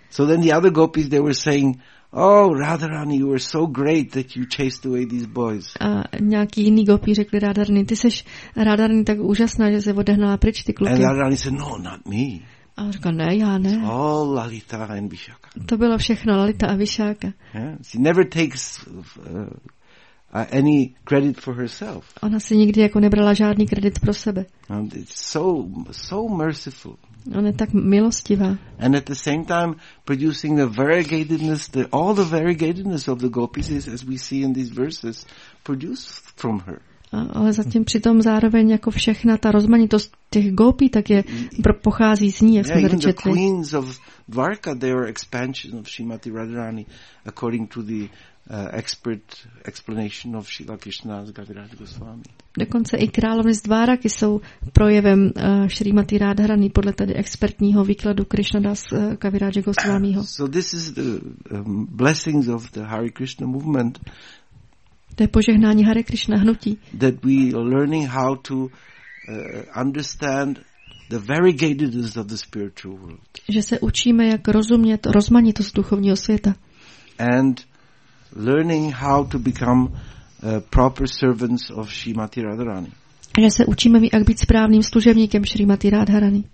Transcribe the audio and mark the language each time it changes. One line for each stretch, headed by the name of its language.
English: So then the other gopis, they were saying, oh, Radharani, you were so great that you chased away these boys.
Czech: A nějaký jiný gopi řekli Radharani, ty seš Radharani tak úžasná, že se odehnala pryč ty kluky.
English: And Radharani said, no, not me.
Czech: A on řekl, ne, já ne.
English: It's all Lalita and Visakha.
Czech: To bylo všechno, Lalita a Visakha.
English: Yeah? She never takes any credit for herself.
Czech: Ona si nikdy jako nebrala žádný kredit pro sebe.
English: And it's so, so merciful.
Czech: Ona je tak milostivá.
English: And at the same time producing the variegatedness, the, all the variegatedness of the gopis is, as we see in these verses, produced from her.
Czech: Ale zatím přitom zároveň jako všechna ta rozmanitost těch gopí, tak je pochází z ní, jak jsme tady četli.
English: The queens of Dvarka, they are expansion of Srimati Radharani according to the expert explanation of Srila Krishna z Gaviraj Goswami.
Czech: Dokonce i královny z Dváraky jsou projevem Srimati Radharani podle tady expertního výkladu Krishnadas Gaviraj Goswamiho.
English: So this is the blessings of the Hare Krishna movement.
Czech: To je požehnání Hare Krishna hnutí.
English: That we are learning how to understand the variegatedness of the spiritual world.
Czech: Že se učíme, jak rozumět rozmanitost duchovního světa.
English: And learning how to become proper servants of Srimati Radharani.
Czech: Že se učíme, jak být správným služebníkem Srimati Radharani.